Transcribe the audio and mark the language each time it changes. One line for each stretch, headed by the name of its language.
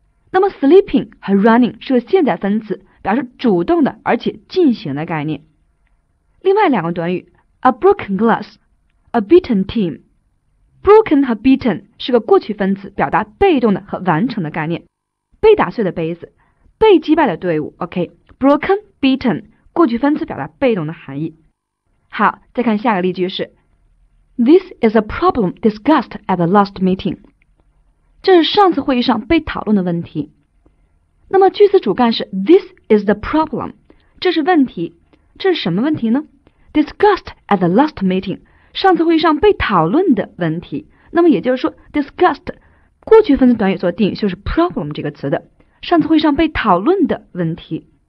Chinese: 那么 sleeping 和 running 是个现在分词，表示主动的而且进行的概念。另外两个短语 a broken glass, a beaten teamBroken 和 beaten 是个过去分词，表达被动的和完成的概念。被打碎的杯子，被击败的队伍。 OK, broken, beaten, 过去分词表达被动的含义。好，再看下个例句是
English: This is a problem discussed at the last meeting.
Chinese: 这是上次会议上被讨论的问题。那么句子主干是 This is the problem, 这是问题。这是什么问题呢？
English: Discussed at the last meeting.
Chinese: 上次会议上被讨论的问题，那么也就是说 discussed 过去分词短语做定语就是 problem 这个词的，上次会议上被讨论的问题。